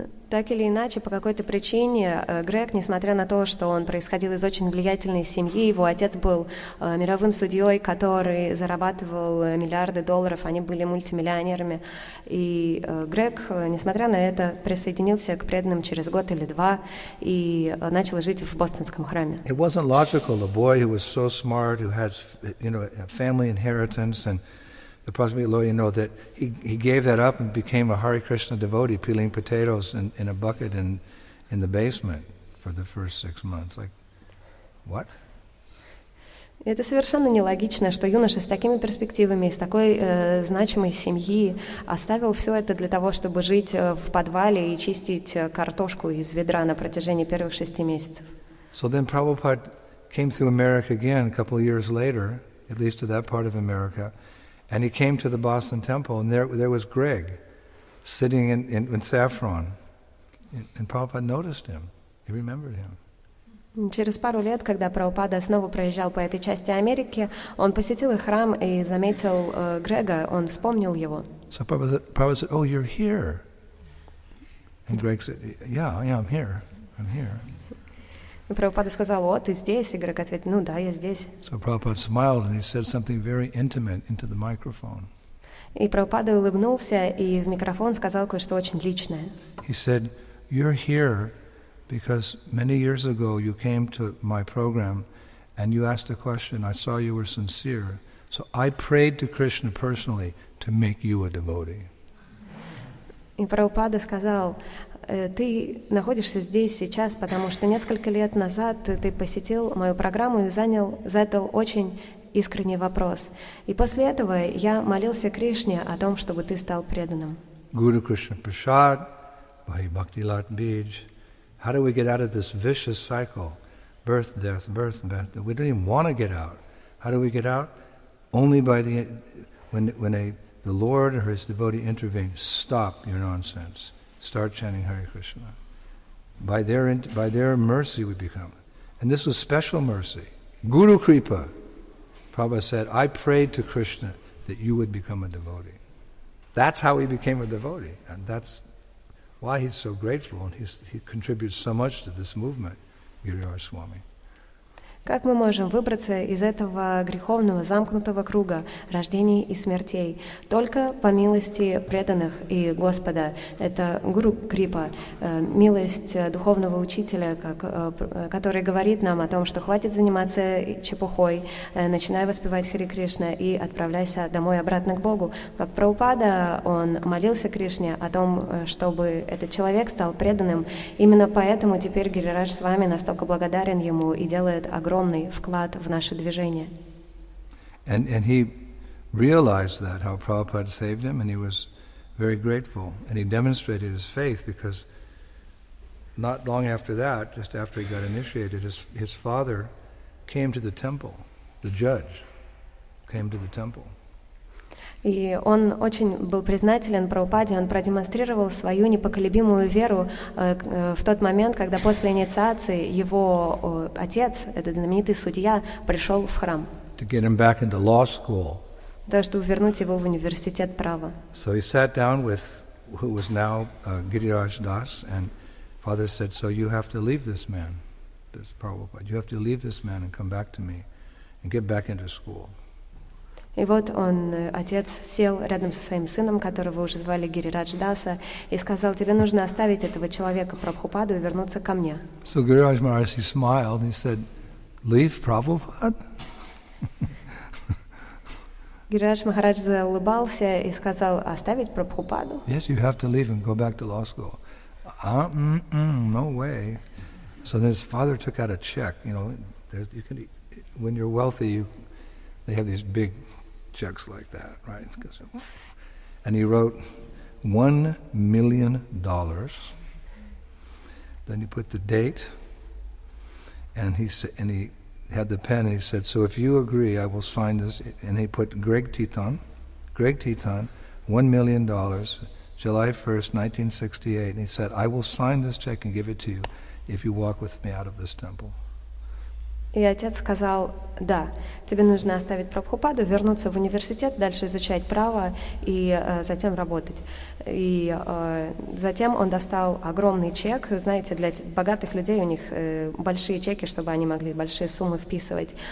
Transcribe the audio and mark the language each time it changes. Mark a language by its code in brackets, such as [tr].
[ru] Так или иначе, по какой-то причине, Грег, несмотря на то, что он происходил из очень влиятельной семьи, его отец был мировым судьей, который зарабатывал миллиарды долларов, они были мультимиллионерами, и Грег, несмотря на это, присоединился к преданным через год или два и начал жить в бостонском храме. [en] It wasn't logical. A boy who was so smart, who has, you know, a family inheritance and the prosperity law, you know, that he gave that up and became a Hare Krishna devotee, peeling potatoes in a bucket in the basement for the first 6 months. Like, What? [ru] Это совершенно нелогично, что юноша с такими перспективами, с такой значимой семьи оставил все это для того, чтобы жить в подвале и чистить картошку из ведра на протяжении первых шести месяцев. [en] So then Prabhupada came through America again a couple of years later, at least to that part of America, and he came to the Boston Temple, and there was Greg sitting in saffron, and Prabhupada noticed him, he remembered him. [ru] Через пару лет, когда Прабхупада снова проезжал по этой части Америки, он посетил их храм и заметил Грега, он вспомнил его. [en] So Prabhupada said, "Oh, you're here." And Greg said, "Yeah, I'm here." [ru] И Прабхупада сказал, "О, ты здесь?" И Грег ответил, "Ну да, я здесь." [en] So Prabhupada smiled and he said something very intimate into the microphone. [ru] И Прабхупада улыбнулся и в микрофон сказал кое-что очень личное. [en] He said, "You're here because many years ago you came to my program and you asked a question. I saw you were sincere. So I prayed to Krishna personally to make you a devotee." [ru] И Прабхупада сказал, ты находишься здесь сейчас, потому что несколько лет назад ты посетил мою программу и задал очень искренний вопрос. И после этого я молился Кришне о том, чтобы ты стал преданным. Guru Krishna Prasad, Bhai Bhakti Lat Bij. [en] How do we get out of this vicious cycle? Birth, death, we don't even want to get out. How do we get out? Only by the Lord or His devotee intervene. Stop your nonsense. Start chanting Hare Krishna. By their mercy we become. And this was special mercy. Guru Kripa. Prabhupada said, I prayed to Krishna that you would become a devotee. That's how he became a devotee. And that's why he's so grateful and he contributes so much to this movement, Giriraj Swami. [ru] Как мы можем выбраться из этого греховного замкнутого круга рождений и смертей? Только по милости преданных и Господа. Это Гуру Крипа, милость духовного учителя, который говорит нам о том, что хватит заниматься чепухой, начинай воспевать Хари Кришна и отправляйся домой обратно к Богу. Как Прабхупада, он молился Кришне о том, чтобы этот человек стал преданным. Именно поэтому теперь Гирирадж с вами настолько благодарен ему и делает огромный вклад в наше движение. [en] And he realized that how Prabhupada saved him, and he was very grateful, and he demonstrated his faith because not long after that, just after he got initiated, his father came to the temple. The judge came to the temple. [ru] И он очень был признателен Прабхупаде, он продемонстрировал свою непоколебимую веру в тот момент, когда после инициации его отец, этот знаменитый судья, пришел в храм. [en] To get him back into law school. [ru] Да, чтобы вернуть его в университет права. [en] So he sat down with who was now Giriraj Das, and father said, so you have to leave this man, this Prabhupada, you have to leave this man and come back to me and get back into school. [ru] И вот он, отец, сел рядом со своим сыном, которого уже звали Гирирадж Даса, и сказал, тебе нужно оставить этого человека, Прабхупаду, и вернуться ко мне. [en] So Гирирадж Махарадж, he smiled, he said, leave Prabhupada? [ru] Гирирадж Махарадж заулыбался и сказал, оставить Прабхупаду? [en] Yes, you have to leave him, go back to law school. No way. So then his father took out a check, you know, when you're wealthy, they have these big checks like that, right? And he wrote $1 million. Then he put the date, and he had the pen, and he said, "So if you agree, I will sign this." And he put Greg Teton, $1 million, July 1st, 1968. And he said, "I will sign this check and give it to you if you walk with me out of this temple." [ru] И отец сказал, да, тебе нужно оставить Прабхупаду, вернуться в университет, дальше изучать право и затем работать. И затем он достал огромный чек, знаете, для богатых людей у них большие чеки, чтобы они могли большие суммы вписывать.